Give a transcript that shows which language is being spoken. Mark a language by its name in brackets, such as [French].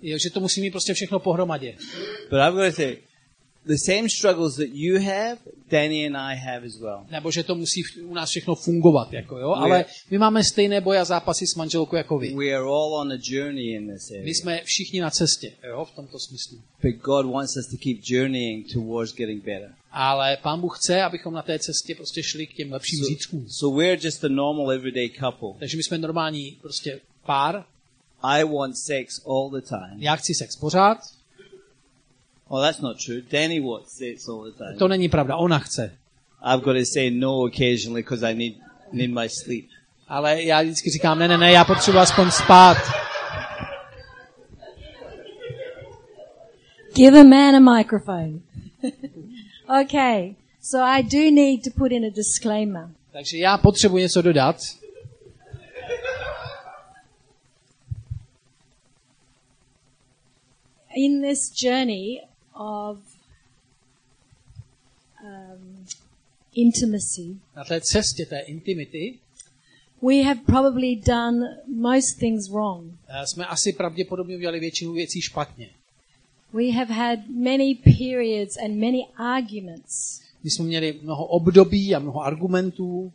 [Czech] Jo, že to musí mít prostě všechno pohromadě. [English] But I'm going to say, the same struggles that you have, Danny and I have as well. [Czech] Nebo že to musí u nás všechno fungovat, jako jo, ale my máme stejné boje a zápasy s manželkou jako vy. [English] We are all on a journey in this area. [Czech] My jsme všichni na cestě, jo, v tomto smyslu. [English] But God wants us to keep journeying towards getting better. [Czech] Ale Pán Bůh chce, abychom na té cestě prostě šli k těm lepším zítřkům. [English] So we are just a normal everyday couple. [Czech] Takže my jsme normální prostě pár. [English] I want sex all the time. [Czech] Já chci sex pořád. [English] Well, that's not true. Danny wants sex all the time. [Czech] To není pravda. Ona chce. [English] I've got to say no occasionally because I need my sleep. [Czech] Ale já vždycky říkám ne, já potřebuji aspoň spát. [English] Give a man a microphone. Okay, so I do need to put in a disclaimer. [Czech] Takže já potřebuji něco dodat. [English] In this journey of intimacy. [Czech] Na té cestě té intimity. [English] We have probably done most things wrong. [Czech] Jsme asi pravděpodobně udělali většinu věcí špatně. [English] We have had many periods and many arguments. [Czech] My jsme měli mnoho období a mnoho argumentů.